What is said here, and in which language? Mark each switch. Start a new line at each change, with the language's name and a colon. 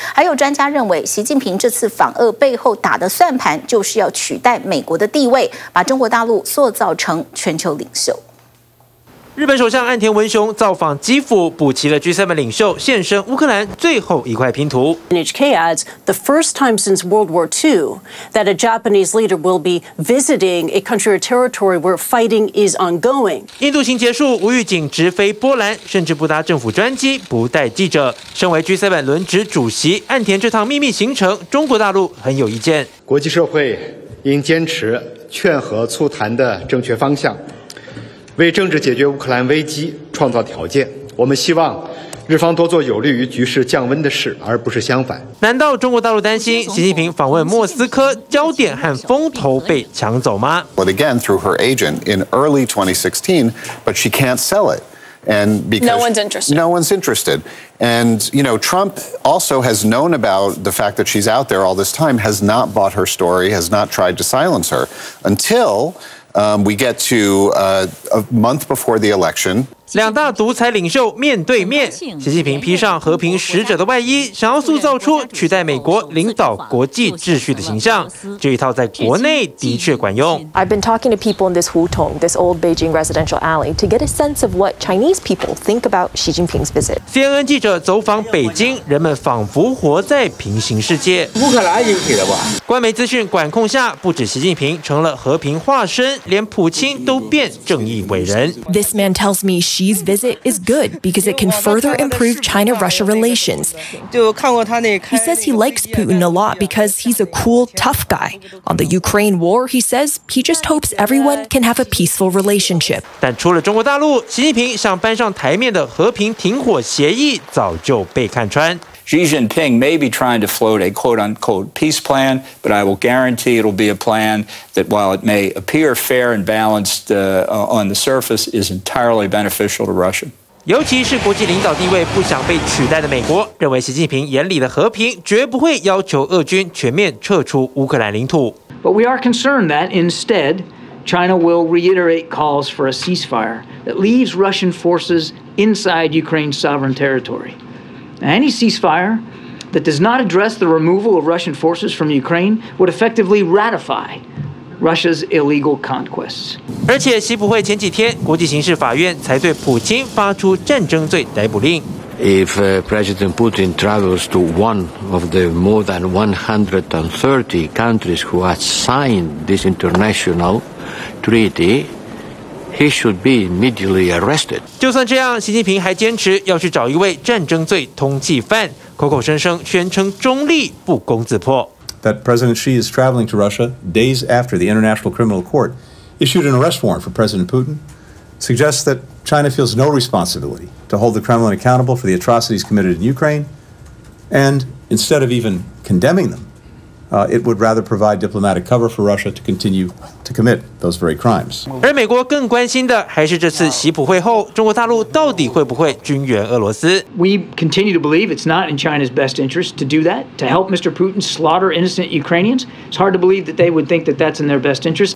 Chinese: 还有专家认为，习近平这次访俄背后打的算盘，就是要取代美国的地位，把中国大陆塑造成全球领袖。日本首相岸田文雄造访基辅，补齐了 G7 领袖现身乌克兰最后一块拼图。
English: NHK adds, the first time since World War II that a Japanese leader will be visiting a country or territory where fighting is ongoing.
Chinese: 印度行结束，无预警直飞波兰，甚至不搭政府专机，不带记者。身为 G7 轮值主席，岸田这趟秘密行程，中国大陆很有意见。国际社会应坚持劝和促谈的正确方向，为政治解决乌克兰危机创造条件。我们希望日方多做有利于局势降温的事，而不是相反。难道中国大陆担心习近平访问莫斯科，焦点和风头被抢走吗？
English: But again, through her agent in early 2016, but she can't sell it. And because no one's interested. No one's interested. And, you know, Trump also has known about the fact that she's out there all this time, has not bought her story, has not tried to silence her until we get to a month before the election.
Chinese: 两大独裁领袖面对面，习近平披上和平使者的外衣，想要塑造出取代美国领导国际秩序的形象。这一套在国内的确管用。
English: I've been talking to people in this Hutong, this old Beijing residential alley, to get a sense of what Chinese people think about Xi Jinping's visit.
Chinese: CNN 记者走访北京，人们仿佛活在平行世界。乌克兰引起的吧？官媒资讯管控下，不止习近平成了和平化身，连普京都变正义伟人。
English: This man tells me Xi's visit is good because it can further improve China-Russia relations. He says he likes Putin a lot because he's a cool, tough guy. On the Ukraine war, he says he just hopes everyone can have a peaceful relationship.
Chinese: 但除了中国大陆，习近平想搬上台面的和平停火协议早就被看穿。
English: Xi Jinping may be trying to float a quote-unquote peace plan, but I will guarantee it'll be a plan that, while it may appear fair and balanced on the surface, is entirely beneficial to Russia.
Chinese: 尤其是国际领导地位不想被取代的美国，认为习近平眼里的和平绝不会要求俄军全面撤出乌克兰领土。
English: But we are concerned that instead, China will reiterate calls for a ceasefire that leaves Russian forces inside Ukraine's sovereign territory. Any ceasefire that does not address the removal of Russian forces from Ukraine would effectively ratify Russia's illegal conquests.
Chinese: 而且习普会前几天，国际刑事法院才对普京发出战争罪逮捕令。
English: If President Putin travels to one of the more than 130 countries who have signed this international treaty. He should be immediately arrested.
Chinese: 就算这样，习近平还坚持要去找一位战争罪通缉犯，口口声声宣称中立，不攻自破。
English: That President Xi is traveling to Russia days after the International Criminal Court issued an arrest warrant for President Putin suggests that China feels no responsibility to hold the Kremlin accountable for the atrocities committed in Ukraine, and instead of even condemning them, it would rather provide diplomatic cover for Russia to continue. To commit those very crimes.
Chinese: 而美国更关心的还是这次习普会后，中国大陆到底会不会军援俄罗斯？
English: We continue to believe it's not in China's best interest to do that, to help Mr. Putin slaughter innocent Ukrainians. It's hard to believe that they would think that that's in their best interest.